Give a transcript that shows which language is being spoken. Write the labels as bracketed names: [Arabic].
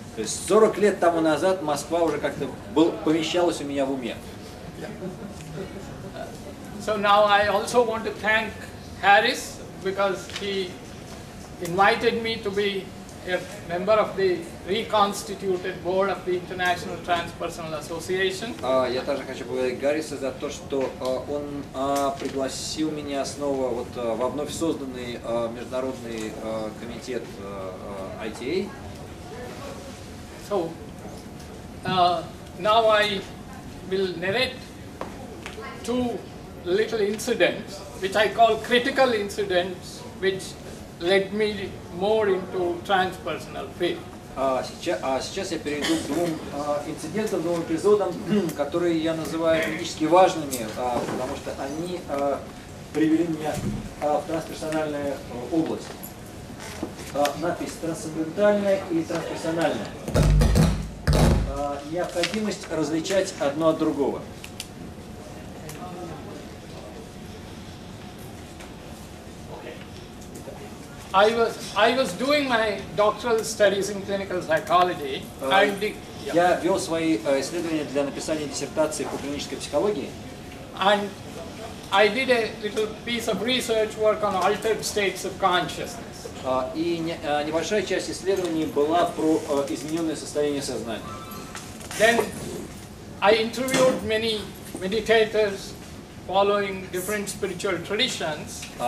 [Russian] То есть 40 лет тому назад Москва уже как-то помещалась у меня в уме. [English] So now I also want to thank Harris, because he invited me to be a member of the reconstituted board of the International Transpersonal Association. [Russian] Я также хочу поблагодарить Гарриса за то, что он пригласил меня снова вот во вновь созданный международный комитет ITA. [English] So now I will narrate two little incidents, which I call critical incidents, which led me more into transpersonal field. [Russian] Сейчас я перейду к двум инцидентам, двум эпизодам, которые я называю критически важными, потому что они привели меня в трансперсональную область. Надпись «трансцендентальная» и «трансперсональная». Необходимость различать одно от другого. [English] I was doing my doctoral studies in clinical psychology. [Russian] Я вел свои исследования для написания диссертации по клинической психологии. [English] And I did a little piece of research work on altered states of consciousness. [Russian] Небольшая часть исследований была про измененное состояние сознания. [English] Then I interviewed many meditators following different spiritual traditions.